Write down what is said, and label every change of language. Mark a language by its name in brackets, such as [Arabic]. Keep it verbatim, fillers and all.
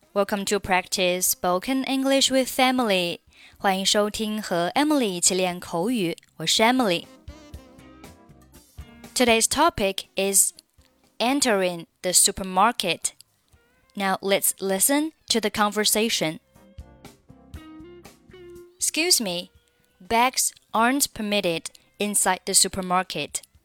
[English] Welcome to practice spoken English with Emily. [Chinese] 欢迎收听和 Emily 一起练口语。我是 Emily. [English] Today's topic is entering the supermarket. Now let's listen to the conversation. Excuse me, bags aren't permitted inside the supermarket.